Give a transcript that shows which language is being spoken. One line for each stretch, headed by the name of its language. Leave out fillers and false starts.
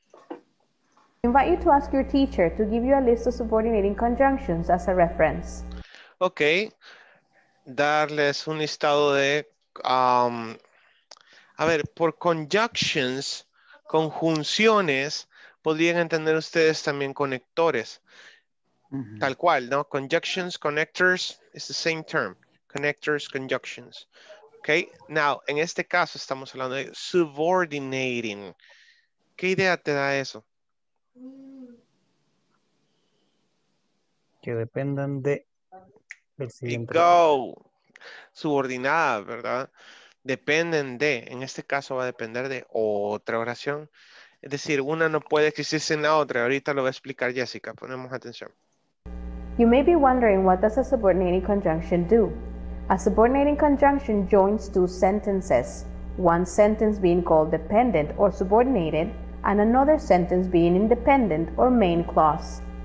English: I invite you to ask your teacher to give you a list of subordinating conjunctions as a reference.
Spanish: Okay, darles un listado de, a ver, por conjunctions, conjunciones, podrían entender ustedes también conectores. Tal cual, ¿no?
English: Conjunctions, connectors, it's the same term. Connectors, conjunctions. Okay, now,
Spanish: en este caso estamos hablando de subordinating. ¿Qué idea te da eso? Que dependan de... El siguiente. Go. Subordinada, ¿verdad? Dependen de, en este caso va a depender de otra oración. Es decir, una no puede existir sin la otra. Ahorita lo va a explicar Jessica. Ponemos atención.
English: You may be wondering, what does a subordinating conjunction do? A subordinating conjunction joins two sentences, one sentence being called dependent or subordinated, and another sentence being independent or main clause.